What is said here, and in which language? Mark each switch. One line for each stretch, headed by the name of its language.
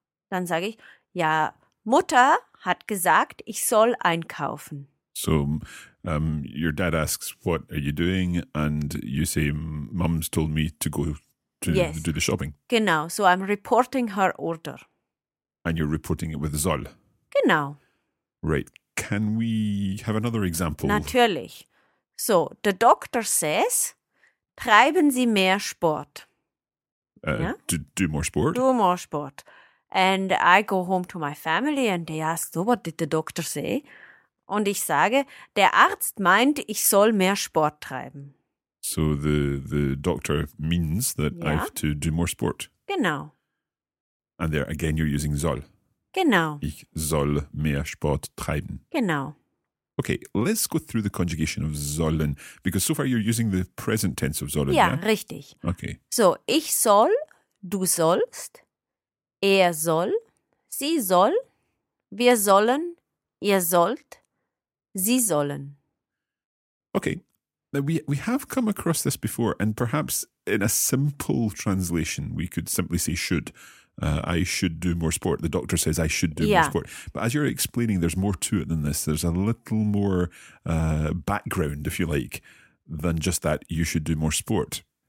German: Dann sage ich, ja, Mutter hat gesagt, ich soll einkaufen.
English: So your dad asks, what are you doing? And you say, Mom's told me to go to do the shopping.
German: Genau.
English: So I'm reporting her order. And you're reporting it with soll.
German: Genau.
English: Right. Can we have another example?
German: Natürlich.
English: So the doctor says,
German: treiben Sie mehr Sport.
English: Do more sport. Do more sport. And I go home to my family and they ask, so what did the doctor say?
German: Und ich sage, der Arzt meint, ich soll mehr Sport treiben.
English: So the doctor means that I have to do more sport.
German: Genau.
English: And there again you're using soll.
German: Genau. Ich soll mehr Sport treiben. Genau.
English: Okay, let's go through the conjugation of sollen, because so far you're using the present tense of sollen.
German: Ja, richtig.
English: Okay.
German: So, ich soll, du sollst, er soll, sie soll, wir sollen, ihr sollt, sie sollen.
English: Okay, now we have come across this before, and perhaps in a simple translation we could simply say should. I should do more sport. The doctor says I should do more sport. But as you're explaining, there's more to it than this. There's a little more background, if you like, than just that you should do more sport.